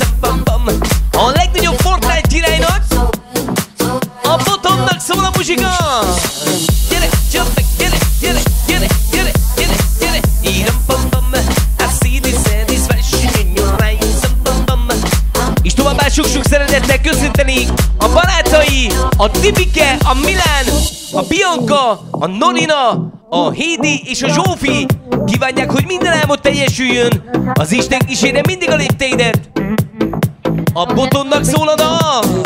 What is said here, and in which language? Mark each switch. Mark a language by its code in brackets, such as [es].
[hu] Iram pam pam, a legnagyobb Fortnite királynak, a Botondnak szól a muzsika. Gyere, [en] jump back, [hu] gyere, gyere, gyere, gyere, gyere, gyere. [en] Iram pam pam me, I see the satisfaction in your eyes. [hu] Iram pam pam, és továbbá sok-sok szeretettel köszönteni a barátai, a Tipike, a Milán, a Bianca, a Norina, a Hédi és a Zsófi kívánják, hogy minden álmod teljesüljön. Az Isten kíséri mindig a lépteidet. A Botondnak szól a dal.